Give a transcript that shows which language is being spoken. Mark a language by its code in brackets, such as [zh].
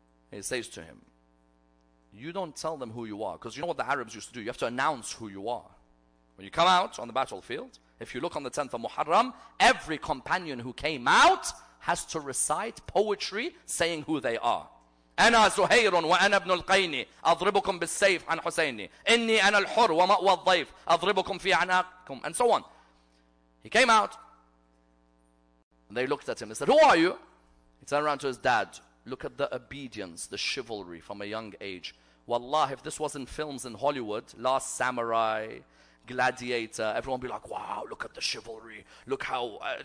[en] He says to him, you don't tell them who you are. Because you know what the Arabs used to do? You have to announce who you are. When you come out on the battlefield, if you look on the 10th of Muharram, every companion who came out has to recite poetry saying who they are. [ar] أنا زهير وأنا ابن القيني أضربكم بالسيف عن حسيني إني أنا الحر ومأوى الضيف أضربكم في عناقكم, [en] and so on. He came out. They looked at him and said, who are you? He turned around to his dad. Look at the obedience, the chivalry from a young age. Wallah, if this was in films in Hollywood, Last Samurai, Gladiator, everyone would be like, wow, look at the chivalry. Look how...